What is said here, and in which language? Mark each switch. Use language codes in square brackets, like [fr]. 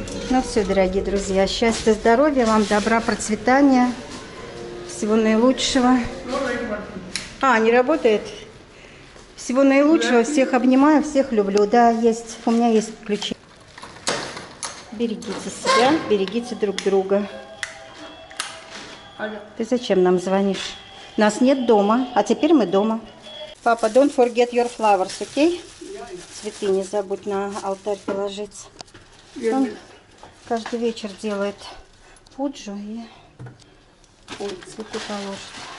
[ru] Ну все, дорогие друзья, счастья, здоровья вам, добра, процветания, всего наилучшего. А, не работает? Всего наилучшего, всех обнимаю, всех люблю. Да, есть, у меня есть ключи. Берегите себя, берегите друг друга. Ты зачем нам звонишь? Нас нет дома, а теперь мы дома. [en] Папа, don't forget your flowers, окей? [ru] Цветы не забудь на алтарь положить. Он каждый вечер делает пуджу и цветы положит.